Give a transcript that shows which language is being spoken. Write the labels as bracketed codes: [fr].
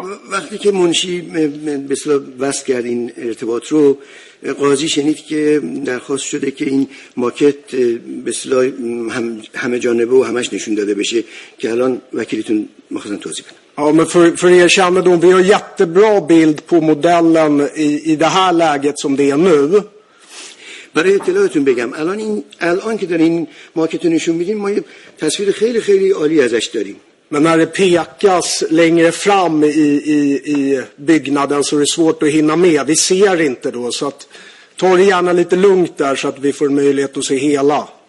[fa] وقتی که منشی مثلا وست کرد این ارتباط رو، قاضی شنید که درخواست شده که این ماکت مثلا همه جانبه و همش نشون داده بشه که الان وکیلتون مخواستن توضیح بدن. [sv] Ja, men för er kännedom, vi har jättebra bild på modellen i det här läget som det är nu. [fa] برای اطلاعاتون بگم الان که دارین ماکت رو نشون میدین، ما یه تصویر خیلی خیلی عالی ازش داریم. [sv] Men när det pekas längre fram i byggnaden så är det svårt att hinna med. Vi ser inte då, så att ta det gärna lite lugnt där så att vi får möjlighet att se hela.